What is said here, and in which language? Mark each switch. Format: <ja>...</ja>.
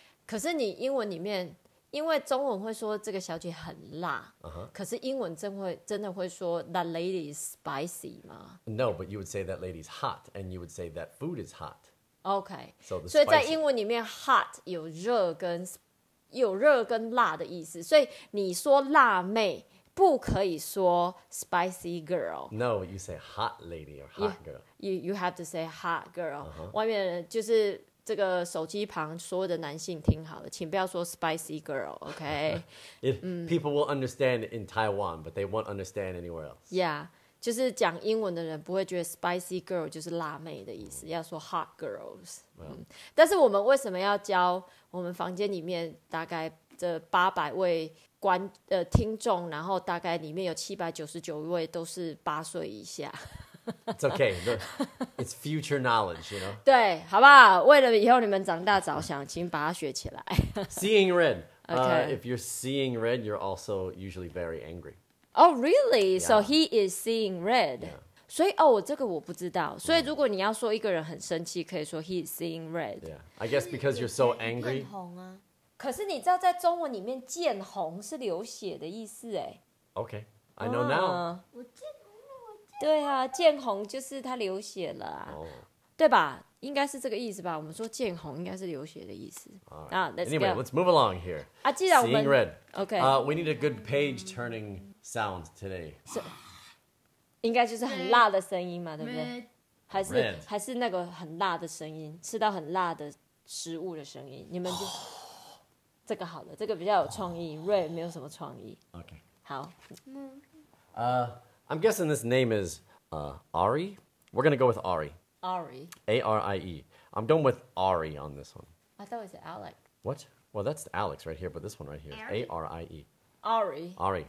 <zh>可是你英文里面，因为中文会说这个小姐很辣、</zh> <en>uh-huh.</en> <zh>可是英文真的会说</zh> <en>that lady is spicy</en> <zh>吗？</zh> <en>No, but you would say that lady is hot and you would say that food is hot. OK, so, the</en> <zh>所以在英文里面 hot 有热跟辣的意思，所以你说辣妹不可以说</zh> <en>spicy girl. No, you say hot lady or hot girl. You have to say hot girl.、 Uh-huh.</en> <zh>外面就是这个手机旁所有的男性听好了，请不要说</zh> <en>spicy girl, OK? If people will understand in Taiwan, but they won't understand anywhere else.</en> <zh>Yeah, 就是讲英文的人不会觉得</zh> <en>spicy girl</en> <zh>就是辣妹的意思，要说</zh> <en>hot girls. Well,、</en> <zh>但是我们为什么要教我们房间里面大概这800位听众，然后大概里面有799位都是八岁以下。</zh> <en>It's okay. It's future knowledge, you know?</en> <zh>对，好不好？为了以后你们长大着想，请把它学起来。</zh> <en>Seeing red. Okay. If you're seeing red, you're also usually very angry. Oh, really? Yeah. So he is seeing red. Yeah.</en> <zh>所以哦，这个我不知道。所以如果你要说一个人很生气，可以说</zh> <en>he is seeing red. Yeah. I guess because you're so angry.</en> <zh>眼红啊。可是你知道在中文里面见红是流血的意思耶。</zh> <en>Okay. I know now.</en> <zh>对啊，见红就是他流血了啊，</zh> <en>oh.</en> <zh>对吧？应该是这个意思吧？我们说见红应该是流血的意思。啊、</zh> <en>right. ，Anyway, let's move along here.</en> <zh>啊，既然我们</zh> <en>Seeing red, OK, we need a good page turning sound today.</en> <zh>是，应该就是很辣的声音嘛，对不对？还是那个很辣的声音，吃到很辣的食物的声音。你们就、oh. 这个好了，这个比较有创意。 Red 没有什么创意。</zh> <en>OK,</en> <zh>好。</zh> <en>I'm guessing this name is Ari. We're going to go with Ari. Ari. A-R-I-E. I'm going with Ari on this one. I thought it was Alex. What? Well, that's Alex right here, but this one right here. A-R-I-E. Ari. Ari.</en>